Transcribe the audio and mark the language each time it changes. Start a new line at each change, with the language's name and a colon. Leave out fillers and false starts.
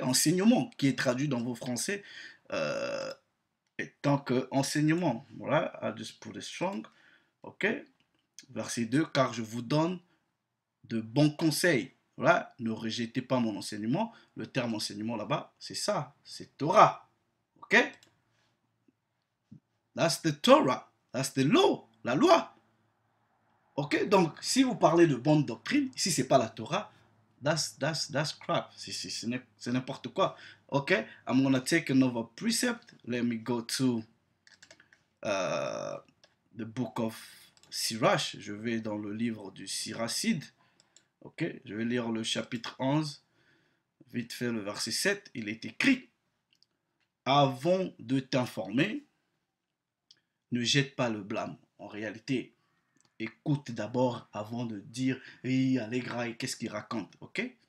French: Enseignement qui est traduit dans vos français. Tant que enseignement, voilà,
English: I just put it strong, ok.
French: Verset 2, car je vous donne de bons conseils, voilà, ne rejetez pas mon enseignement. Le terme enseignement là-bas, c'est ça, c'est Torah, ok.
English: That's the Torah, that's the law,
French: la loi,
English: ok.
French: Donc, si vous parlez de bonne doctrine, si c'est pas la Torah,
English: that's crap,
French: c'est n'importe quoi.
English: Ok, I'm going to take another precept. Let me go to the book of Sirach.
French: Je vais dans le livre du Siracide. Ok, je vais lire le chapitre 11, vite fait le verset 7. Il est écrit: avant de t'informer, ne jette pas le blâme. En réalité, écoute d'abord avant de dire, hey, Allegra, qu'est-ce qu'il raconte? Ok?